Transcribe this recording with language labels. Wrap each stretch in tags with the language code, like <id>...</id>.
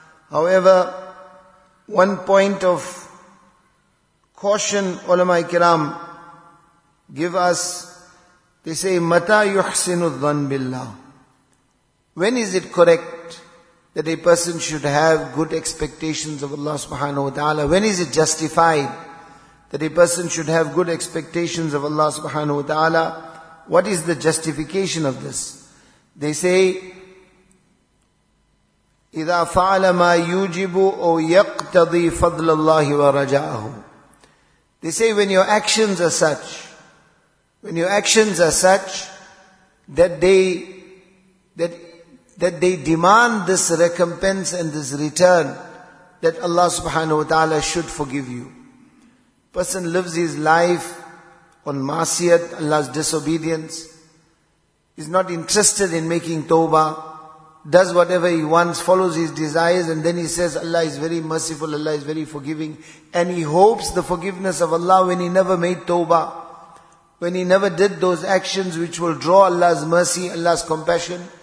<en>However, one point of caution, ulama ikram give us, they say,</en> <ar>mata yuhsinu dhan billah.</ar> <en>When is it correct that a person should have good expectations of Allah subhanahu wa ta'ala? When is it justified that a person should have good expectations of Allah subhanahu wa ta'ala? What is the justification of this? They say,</en> <ar>إِذَا فَعَلَ مَا يُوجِبُ أَوْ يَقْتَضِي فَضْلَ اللَّهِ وَرَجَاءَهُ.</ar> <en>They say when your actions are such, when your actions are such that they demand this recompense and this return, that Allah subhanahu wa ta'ala should forgive you. Person lives his life on masiyat, Allah's disobedience, is not interested in making tawbah, does whatever he wants, follows his desires, and then he says Allah is very merciful, Allah is very forgiving, and he hopes the forgiveness of Allah when he never made tawbah, when he never did those actions which will draw Allah's mercy, Allah's compassion.</en>